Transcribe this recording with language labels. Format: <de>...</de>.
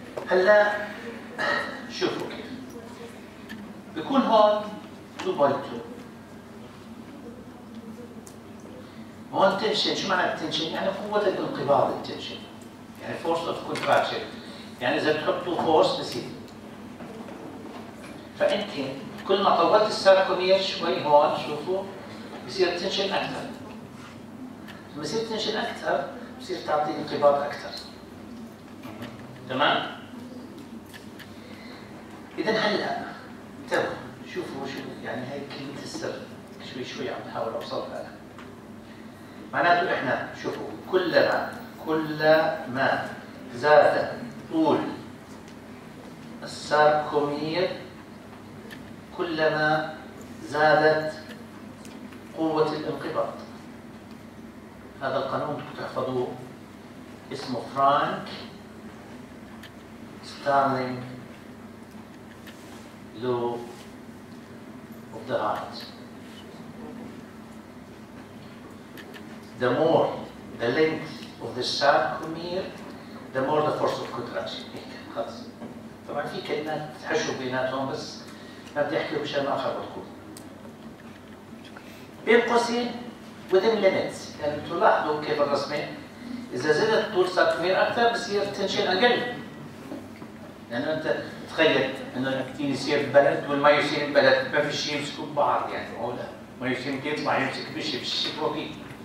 <ar>هلا شوفوا كيف بيكون هون 2.2. هون تنشن. شو معنى التنشن؟ يعني قوة الانقباض. التنشن يعني</ar> <en>force of contraction.</en> <ar>يعني إذا بتحطوا force بصير. فأنت كل ما طولت الساركومير شوي هون شوفوا بصير تنشن أكثر. لما بصير تنشن أكثر بصير تعطي انقباض أكثر. تمام؟ إذا هلا انتبهوا شوفوا شو يعني هاي كلمة السر. شوي شوي عم بحاول أوصلها لها. معناته إحنا شوفوا كلما زاد طول الساركومير كلما زادت قوة الانقباض. هذا القانون بدكم تحفظوه اسمه فرانك ستارلينج لو اوف ذا هارت.</ar> <en>The more the length of the sarcomere, the more the force of contraction.</en> <ar>خلص. طبعا في كلمات تحشوا بيناتهم بس ما بدي احكي مشان ما اخربطكم. بين قوسين</ar> <en>within limits.</en> <ar>يعني تلاحظوا كيف الرسمه اذا زادت طول ساتمير اكثر بصير التنشن اقل. لانه انت تخيل انه الاكتين يصير بلد والماء يصير بلد ما في شيء يمسكوا ببعض يعني او لا ما يصير يطلع يمسك بشيء بشيء بروتين.</ar>